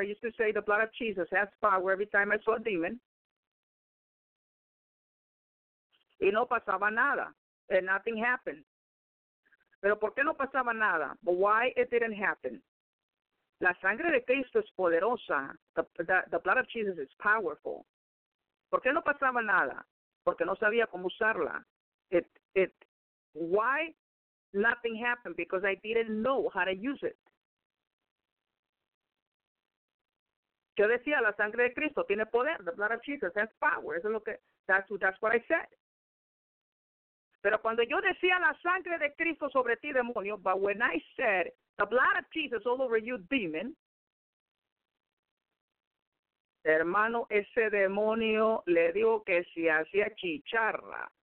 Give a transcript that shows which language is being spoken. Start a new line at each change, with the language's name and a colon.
English: I used to say, the blood of Jesus has power every time I saw a demon.
Spanish: Y no pasaba nada,
English: and nothing happened.
Spanish: Pero ¿por qué no pasaba nada?
English: But why it didn't happen?
Spanish: La sangre de Cristo es poderosa.
English: The blood of Jesus is powerful.
Spanish: ¿Por qué no pasaba nada? Porque no sabía cómo usarla.
English: Why nothing happened? Because I didn't know how to use it.
Spanish: Yo decía, la sangre de Cristo tiene poder.
English: The blood of Jesus has power.
Spanish: Eso es lo que,
English: that's what I said.
Spanish: Pero cuando yo decía la sangre de Cristo sobre ti, demonio,
English: but when I said the blood of Jesus all over you, demon,
Spanish: hermano, ese demonio le dijo que se hacía chicharra.